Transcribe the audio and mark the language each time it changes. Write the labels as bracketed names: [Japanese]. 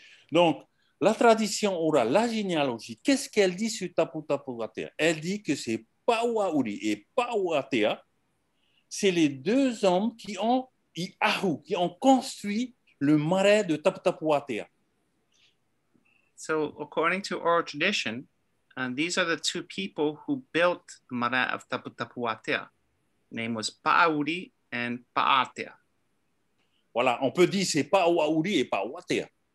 [French] Donc, la tradition orale, la généalogie, qu'est-ce qu'elle dit sur Taputapuātea? Elle dit que c'est Pauauri et Pauātea. C'est les deux hommes qui ont construit le marais de Taputapuātea. [English] So, according to oral tradition, these are the two people who built the marais of Taputapuātea. Name was Pauauri and Pauātea. [French] Voilà, on peut dire c'est Pauauri et Pauātea.